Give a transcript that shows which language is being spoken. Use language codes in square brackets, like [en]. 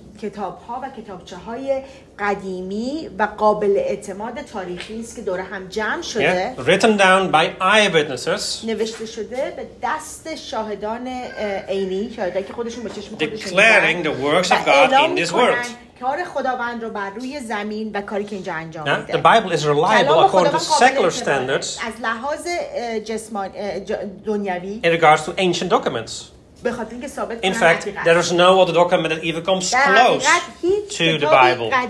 [fa] کتاب‌ها و کتابچه‌های قدیمی و قابل اعتماد تاریخی است که دور هم جمع شده. [en] Yeah, written down by eyewitnesses. [fa] نوشته شده به دست شاهدان عینی، شاهدانی که خودشون با چشم خودشون دیدن. [en] Declaring the works of God in this world. [fa] کار خداوند رو بر روی زمین و کاری که اینجا انجام میده. [en] The Bible is reliable according to secular standards. [fa] از لحاظ جسمانی دنیوی. [en] In regards to ancient documents. In fact, there is no other document that even comes close to the Bible.